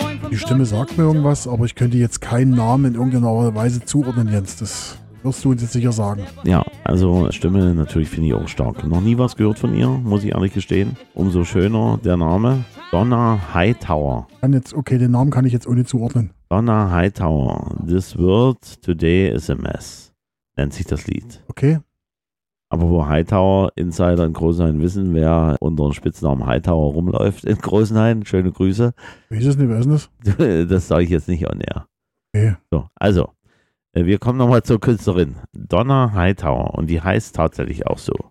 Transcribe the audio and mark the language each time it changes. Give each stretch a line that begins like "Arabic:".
German: Die Stimme sagt mir irgendwas, aber ich könnte jetzt keinen Namen in irgendeiner Weise zuordnen, Jens. Das wirst du uns jetzt sicher sagen. Ja, also Stimme natürlich finde ich auch stark. Noch nie was gehört von ihr, muss ich ehrlich gestehen. Umso schöner der Name. Donna Hightower. Kann jetzt, okay, den Namen kann ich jetzt ohne zuordnen. Donna Hightower.
English: This world today is a mess.
German: Nennt sich das Lied. Okay. Aber wo Hightower, Insider in Großenhain wissen, wer unter dem Spitznamen Hightower rumläuft in Großenhain. Schöne Grüße. Wie ist es denn, wer ist das? Das sage ich jetzt nicht on air. Okay. So, also, wir kommen nochmal zur Künstlerin. Donna Hightower, und die heißt tatsächlich auch so.